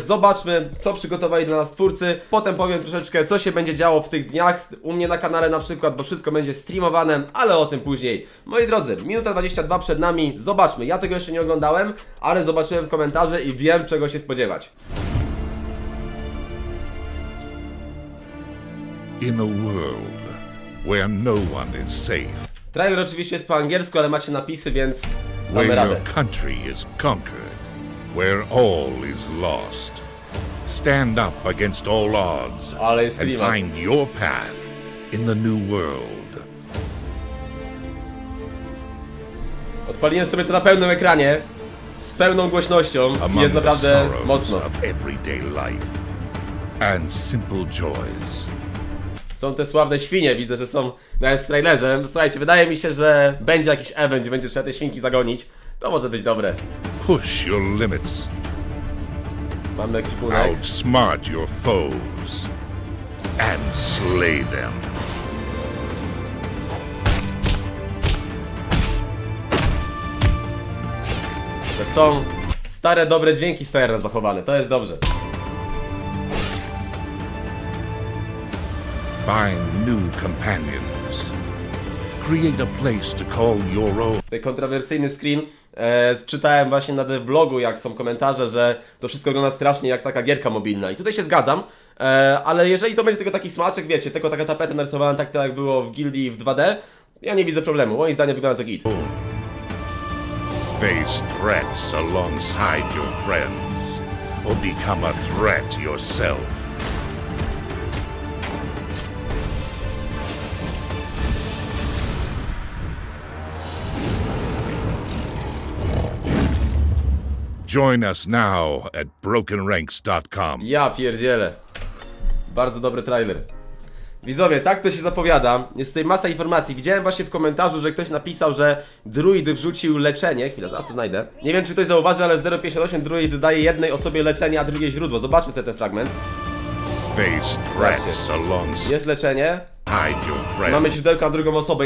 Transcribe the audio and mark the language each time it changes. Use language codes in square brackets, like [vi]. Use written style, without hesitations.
[pl] Zobaczmy, co przygotowali dla nas twórcy. Potem powiem troszeczkę, co się będzie działo w tych dniach u mnie na kanale na przykład, bo wszystko będzie streamowane, ale o tym później. Moi drodzy, minuta 22 przed nami. Zobaczmy, ja tego jeszcze nie oglądałem, ale zobaczyłem w komentarze i wiem, czego się spodziewać. [en] In a world where no one is safe. [pl] Trailer oczywiście jest po angielsku, ale macie napisy, więc damy radę. [en] Your country is conquered, where all is lost. Stand up against all odds and find your path in the new world. [pl] Odpaliłem sobie to na pełnym ekranie, z pełną głośnością, i jest naprawdę mocno. [en] Of everyday life and simple joys. [pl] Są te sławne świnie, widzę, że są nawet w trailerze. Słuchajcie, wydaje mi się, że będzie jakiś event, gdzie będzie trzeba te świnki zagonić. To może być dobre. [en] Push your limits. [pl] Mamy ekipunek. [en] Outsmart your foes and slay them. [pl] To są stare, dobre dźwięki z TR zachowane, to jest dobrze. [en] Find new companions. Create a place to call your own. [pl] Ten kontrowersyjny screen czytałem właśnie na blogu, jak są komentarze, że to wszystko wygląda strasznie jak taka gierka mobilna. I tutaj się zgadzam, ale jeżeli to będzie tylko taki smaczek, wiecie, tylko taka tapeta narysowana tak, jak było w Gildii w 2D, ja nie widzę problemu. Moim zdaniem wygląda to git. [en] Face threats alongside your friends, or become a threat yourself. Join us now at brokenranks.com. [pl] Ja pierdziele. Bardzo dobry trailer. Widzowie, tak to się zapowiada. Jest tutaj masa informacji. Widziałem właśnie w komentarzu, że ktoś napisał, że druid wrzucił leczenie. Chwila, zaraz to znajdę. Nie wiem, czy ktoś zauważy, ale w 0.58 druid daje jednej osobie leczenie, a drugie źródło. Zobaczmy sobie ten fragment. [en] Face threats along. [pl] Jest leczenie. Mamy źródełka na drugą osobę.